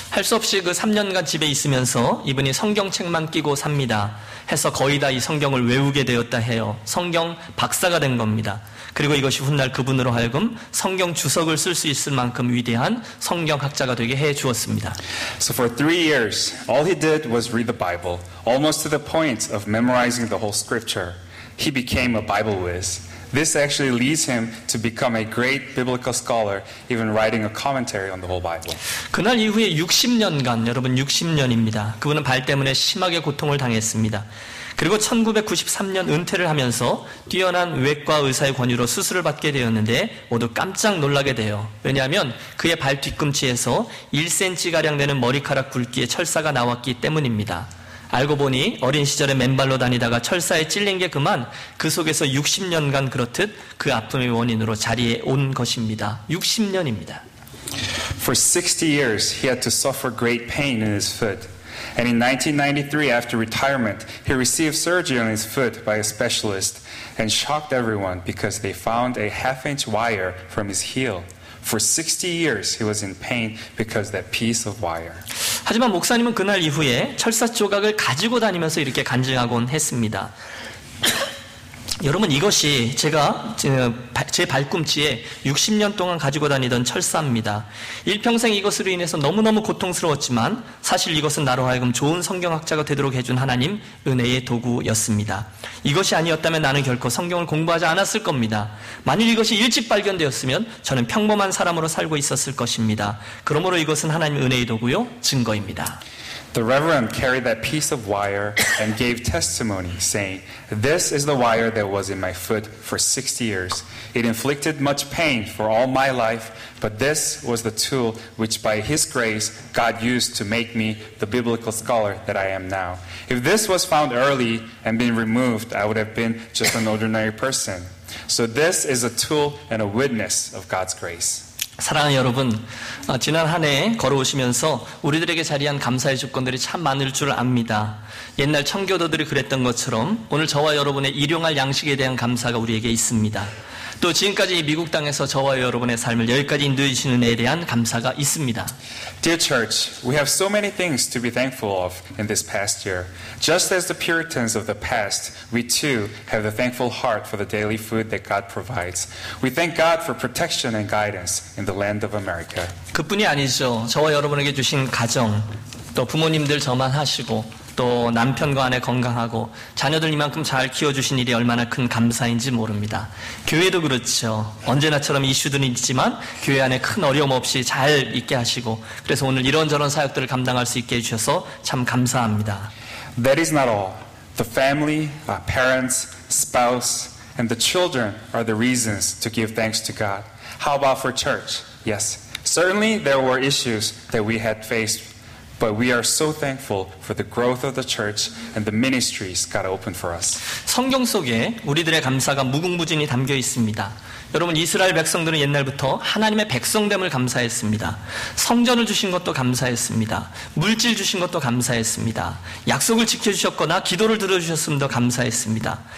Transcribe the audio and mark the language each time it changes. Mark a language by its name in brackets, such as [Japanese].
[Korean] 할 수 없이 그 3년간 집에 있으면서 이분이 성경책만 끼고 삽니다. 해서 거의 다 이 성경을 외우게 되었다 해요. 성경 박사가 된 겁니다. 그리고 이것이 훗날 그분으로 하여금 성경 주석을 쓸 수 있을 만큼 위대한 성경학자가 되게 해 주었습니다. [English] So for 3 years, all he did was read the Bible, almost to the point of memorizing the whole scripture. He became a Bible whiz. This actually leads him to become a great biblical scholar, even writing a commentary on the whole Bible. [Korean] 그날 이후에 60년간, 여러분 60년입니다. 그분은 발 때문에 심하게 고통을 당했습니다. 그리고 1993년 은퇴를 하면서 뛰어난 외과 의사의 권유로 수술을 받게 되었는데 모두 깜짝 놀라게 돼요. 왜냐하면 그의 발 뒤꿈치에서 1cm가량 되는 머리카락 굵기의 철사가 나왔기 때문입니다. 알고 보니 어린 시절에 맨발로 다니다가 철사에 찔린 게 그만 그 속에서 60년간 그렇듯 그 아픔의 원인으로 자리에 온 것입니다. 60년입니다. [English] For 60 years, he had to suffer great pain in his foot. And in 1993, after retirement, he received surgery on his foot by a specialist and shocked everyone because they found a half-inch wire from his heel. For 60 years, he was in pain because that piece of wire. [Korean] 하지만 목사님은 그날 이후에 철사 조각을 가지고 다니면서 이렇게 간증하곤 했습니다. 여러분, 이것이 제가 제 발꿈치에 60년 동안 가지고 다니던 철사입니다. 일평생 이것으로 인해서 너무너무 고통스러웠지만 사실 이것은 나로 하여금 좋은 성경학자가 되도록 해준 하나님 은혜의 도구였습니다. 이것이 아니었다면 나는 결코 성경을 공부하지 않았을 겁니다. 만일 이것이 일찍 발견되었으면 저는 평범한 사람으로 살고 있었을 것입니다. 그러므로 이것은 하나님 은혜의 도구요, 증거입니다. [English] The Reverend carried that piece of wire and gave testimony, saying, This is the wire that was in my foot for 60 years. It inflicted much pain for all my life, but this was the tool which by His grace God used to make me the biblical scholar that I am now. If this was found early and been removed, I would have been just an ordinary person. So this is a tool and a witness of God's grace. [Korean] 사랑하는 여러분, 지난 한 해 걸어오시면서 우리들에게 자리한 감사의 조건들이 참 많을 줄 압니다. 옛날 청교도들이 그랬던 것처럼 오늘 저와 여러분의 일용할 양식에 대한 감사가 우리에게 있습니다. 또 지금까지 미국 땅에서 저와 여러분의 삶을 여기까지 인도해 주시는 애에 대한 감사가 있습니다. [English] Dear Church, we have so many things to be thankful of in this past year. Just as the Puritans of the past, we too have the thankful heart for the daily food that God provides. We thank God for protection and guidance in the land of America. [Korean] 그뿐이 아니죠. 저와 여러분에게 주신 가정, 또 부모님들 저만 하시고 또 남편과 아내 건강하고 자녀들 이만큼 잘 키워주신 일이 얼마나 큰 감사인지 모릅니다. 교회도 그렇죠. 언제나처럼 이슈들은 있지만 교회 안에 큰 어려움 없이 잘 있게 하시고 그래서 오늘 이런저런 사역들을 감당할 수 있게 해주셔서 참 감사합니다. [English] That is not all. The family, parents, spouse, and the children are the reasons to give thanks to God. How about for church? Yes. Certainly there were issues that we had faced But we are so thankful for the growth of the church and the ministries God opened for us. [Korean] 성경 속에 우리들의 감사가 무궁무진히 담겨 있습니다. 여러분, 이스라엘 백성들은 옛날부터 하나님의 백성됨을 감사했습니다. 성전을 주신 것도 감사했습니다. 물질 주신 것도 감사했습니다. 약속을 지켜주셨거나 기도를 들어주셨음도 감사했습니다.